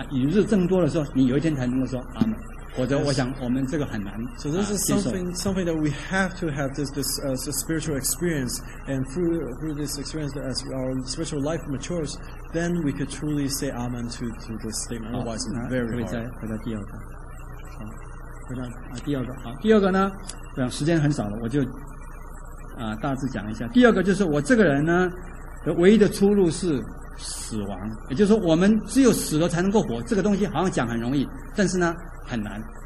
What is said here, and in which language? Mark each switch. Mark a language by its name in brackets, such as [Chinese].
[Chinese] 这必须要只有属灵的经历，你的在福音上十字架上你所得到的恩典啊，与日增多的时候，你有一天才能够说阿门。 [English] So this is something that we have to have this spiritual experience, and through this experience, as our spiritual life matures, then we could truly say amen to this statement. Otherwise, it's very hard. [Chinese] 回到第二个，好，第二个呢，时间很少了，我就大致讲一下。第二个就是我这个人呢的唯一的出路是死亡，也就是说我们只有死了才能够活。这个东西好像讲很容易，但是呢很难。